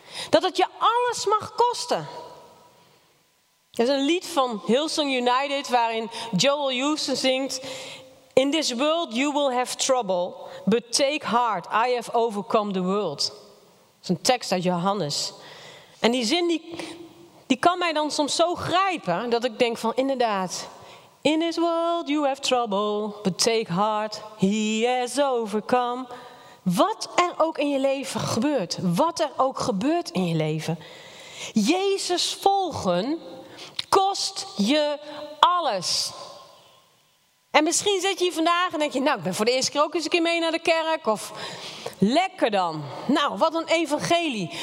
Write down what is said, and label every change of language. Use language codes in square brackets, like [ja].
[nl] Dat het je alles mag kosten. Er is een lied van Hillsong United waarin Joel Houston zingt: [en] in this world you will have trouble, but take heart, I have overcome the world. [nl] Dat is een tekst uit Johannes. En die zin die kan mij dan soms zo grijpen dat ik denk van: inderdaad. [en] In this world you have trouble, but take heart, he has overcome. [nl] Wat er ook in je leven gebeurt. Wat er ook gebeurt in je leven. Jezus volgen kost je alles. En misschien zit je hier vandaag en denk je, nou, ik ben voor de eerste keer ook eens een keer mee naar de kerk. Of lekker dan. Nou, wat een evangelie.